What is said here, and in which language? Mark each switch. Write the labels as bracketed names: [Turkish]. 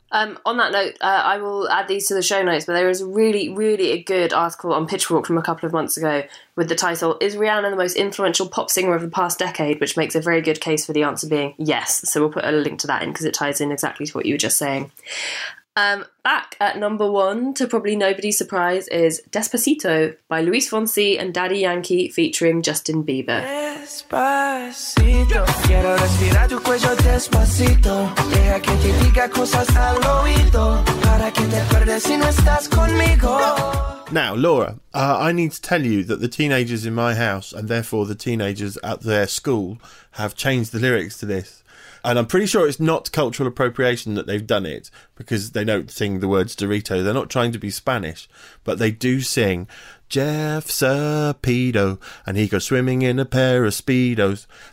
[English] On that note, I will add these to the show notes, but there is a really, really a good article on Pitchfork from a couple of months ago with the title, "Is Rihanna the Most Influential Pop Singer of the Past Decade?" which makes a very good case for the answer being yes. So we'll put a link to that in because it ties in exactly to what you were just saying. Back at number one, to probably nobody's surprise, is Despacito by Luis Fonsi and Daddy Yankee featuring Justin Bieber. [Spanish] Despacito, quiero respirar tu cuello despacito. Deja que te diga cosas al oído, para que te acuerdes si no estás conmigo. [English] Now, Laura, I need to tell you that the teenagers in my house, and therefore the teenagers at their school, have changed the lyrics to this. And I'm pretty sure it's not cultural appropriation that they've done it, because they don't sing the words Dorito. They're not trying to be Spanish, but they do sing Jeff Sapido, and he goes swimming in a pair of Speedos.